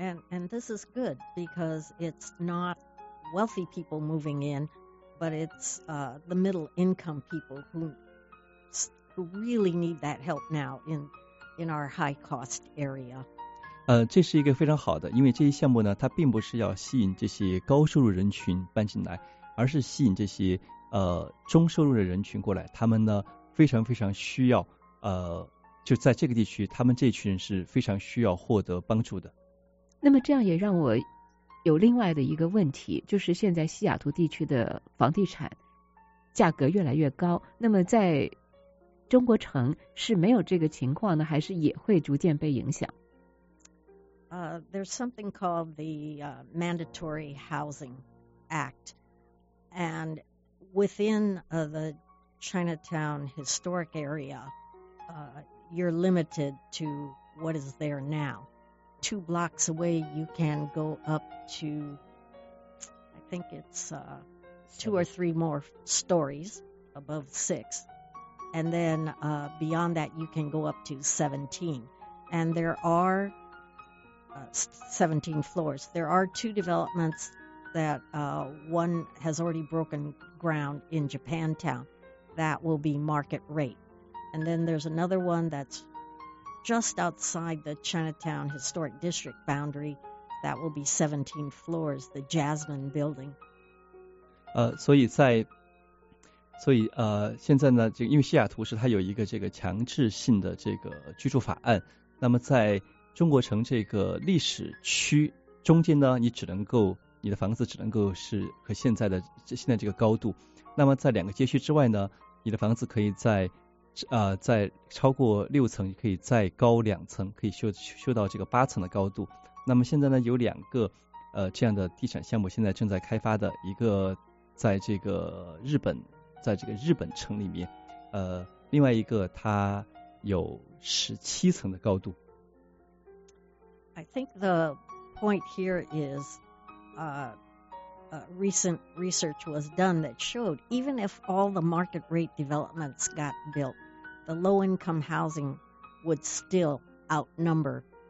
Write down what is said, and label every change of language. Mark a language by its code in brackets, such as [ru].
[en] And this is good because it's not wealthy people moving in, but it's the middle income people who really need that help now in our high cost area. [zh] 这是一个非常好的，因为这些项目呢，它并不是要吸引这些高收入人群搬进来，而是吸引这些中收入的人群过来，他们呢非常非常需要就在这个地区，他们这群人是非常需要获得帮助的。那么这样也让我有另外的一个问题，就是现在西雅图地区的房地产价格越来越高，那么在中国城是没有这个情况呢，还是也会逐渐被影响？ [en] There's something called the Mandatory Housing Act, and within the Chinatown historic area, you're limited to what is there now. Two blocks away, you can go up to, I think it's two or three more stories above six. And then beyond that, you can go up to 17. And there are 17 floors. There are two developments that one has already broken ground in Japantown. That will be market rate. And then there's another one that's just outside the Chinatown Historic District boundary. That will be 17 floors, the Jasmine Building. [zh] 所以现在呢，这个因为西雅图是它有一个这个强制性的这个居住法案，那么在中国城这个历史区中间呢，你的房子只能够是和现在这个高度，那么在两个街区之外呢，你的房子可以在超过六层，可以再高两层，可以修到这个八层的高度。那么现在呢，有两个这样的地产项目现在正在开发的，一个在这个日本城里面，另外一个它有17层的高度。 [en] I think the point here is, recent research was done that showed even if all the market rate developments got built, the low-income housing would still outnumber.